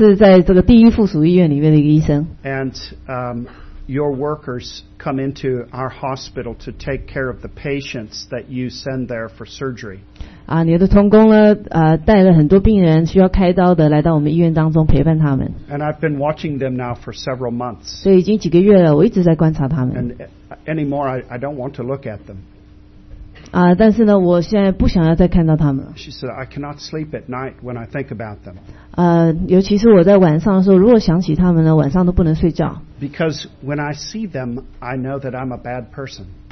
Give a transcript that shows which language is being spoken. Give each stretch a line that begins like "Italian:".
Chinese: 他说呢，我是在这个第一附属医院里面的一个医生。
English: And your workers come into our hospital to take care of the patients that you send there for surgery.
Chinese: 你的同工呢，带了很多病人需要开刀的来到我们医院当中陪伴他们。
English: And I've been watching them now for several months.
Chinese: 所以已经几个月了，我一直在观察他们。
English: And anymore, I don't want to look at them.
Chinese: 但是呢，我现在不想要再看到他们。
English: She said, I cannot sleep at night when I think about them.
Chinese: 尤其是我在晚上的时候，如果想起他们呢，晚上都不能睡觉。
English: Because when I see them, I know that I'm a bad person.